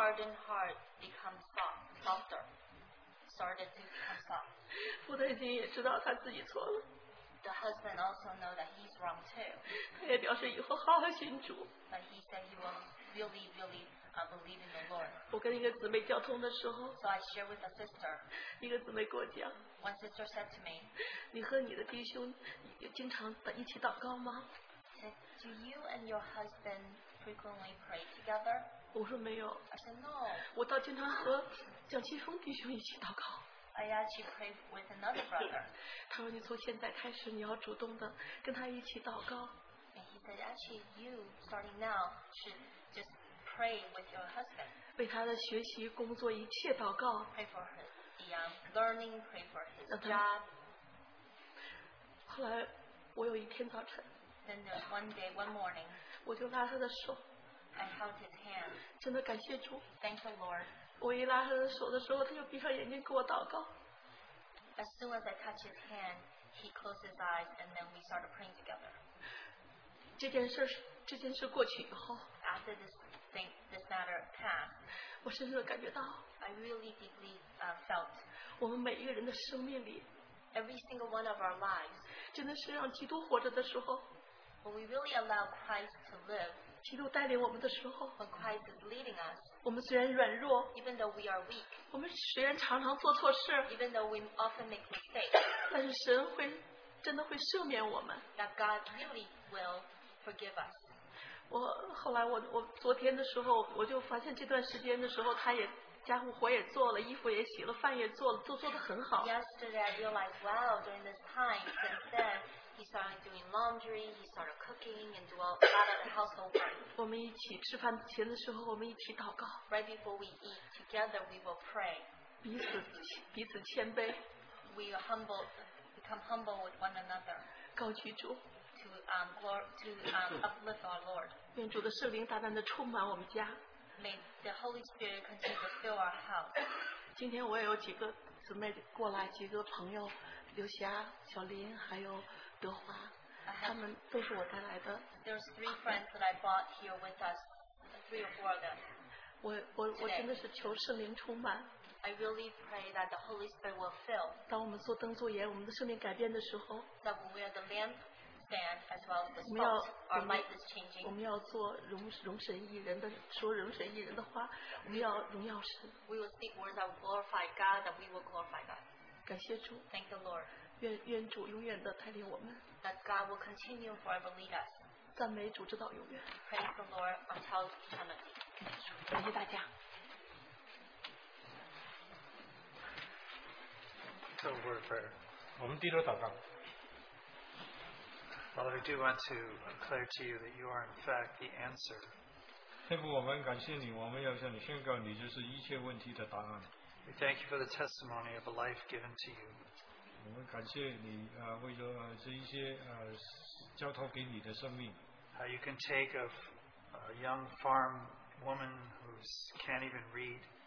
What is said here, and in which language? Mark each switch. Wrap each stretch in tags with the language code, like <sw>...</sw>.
<en>My hardened heart becomes soft, softer. Started to become soft.</en> <zh>父亲也知道他自己错了。</zh> <en>The husband also knows that he's wrong too.</en> <zh>他也表示以后好好信主。</zh> <en>But he said he will really, really, believe in the Lord.</en> <zh>我跟一个姊妹交通的时候</zh> <en>，So I share with a sister.</en> <zh>一个姊妹跟我讲</zh> <en>，One sister said to me,</en> <zh>你和你的弟兄有经常一起祷告吗</zh> <en>？Said, do you and your husband frequently pray together?</en> <zh>我说没有。</zh> <en>I said no.</en> <zh>我倒经常和蒋清峰弟兄一起祷告。</zh> <en>I actually pray with another brother.</en> <zh>他说你从现在开始你要主动的跟他一起祷告。</zh> <en>And he said, actually, you starting now should just pray with your husband.</en> <zh>为他的学习、工作一切祷告。</zh> <en>Pray for his learning, pray for his job.</en> <zh>后来我有一天早晨。</zh> <en>Then one day, one morning.</en> <zh>我就拉他的手。</zh> <en>I held his hand.</en> <zh>真的感谢主。</zh> <en>Thank the Lord.</en> <zh>我一拉他的手的时候，他就闭上眼睛给我祷告。</zh> <en>As soon as I touch his hand, he closed his eyes, and then we started praying together.</en> <zh>这件事过去以后</zh> <en>，After this matter passed,</en> <zh>我深深的感觉到</zh> <en>，I really deeply felt</en> <zh>我们每一个人的生命里</zh> <en>，Every single one of our lives</en> <zh>真的是让基督活着的时候</zh> <en>，When we really allow Christ to live.</en> <zh>基督带领我们的时候</zh> <en>When Christ is leading us,</en> <zh>我们虽然软弱</zh> <en>even though we are weak,</en> <zh>我们虽然常常做错事</zh> <en>even though we often make mistakes,</en> <zh>但是神会真的会赦免我们</zh> <en>that God really will forgive us.</en> <zh>我后来 我昨天的时候我就发现这段时间的时候他也家务活也做了衣服也洗了饭也做了做得很好</zh> <en>Yesterday I realized, wow, during this time, since then,He started doing laundry, he started cooking, and do a lot of household work.</en> <zh>我们一起吃饭前的时候，我们一起祷告。</zh> <en>Right before we eat together, we will pray.</en> <zh>彼此谦卑。</zh> <en>We are humble, become humble with one another.</en> <zh>高举主。</zh> <en>To uplift our Lord.</en> <zh>愿主的圣灵大大的充满我们家。</zh> <en>May the Holy Spirit continue to fill our house.</en> <zh>今天我也有几个姊妹过来，几个朋友，刘霞、小林，还有。德华，他们都是我带来的。</zh> <en>There's three friends that I brought here with us, three or four of them.</en> <zh>我真的是求圣灵充满。</zh> <en>I really pray that the Holy Spirit will fill.</en> <zh>当我们做灯做盐，我们的生命改变的时候。</zh> <en>That when we are the lampstand as well as the salt, our light is changing.</en> <zh>我们要做容神一人的，说容神一人的话，我们要荣耀神。</zh> <en>We will speak words that glorify God, that we will glorify God.</en> <zh>感谢主。</zh> <en>Thank the Lord.</en> <zh>愿主永远的带领我们。</zh> <en>That God will continue forever lead us.</en> <zh>赞美主直到永远。</zh> <en>Praise the Lord until eternity.</en> <zh>感谢大家。</zh> <en>So word prayer.</en> <zh>我们低头祷告。</zh> <en>Father, I do want to declare to you that you are in fact the answer.</en> <zh>天父，我们感谢你，我们要向你宣告，你就是一切问题的答案。</zh> <en>We thank you for the testimony of a life given to you.</en> <zh>我们感谢你为了这一些交托给你的生命。</zh> <en>You can take a young farm woman who can't even read.</en>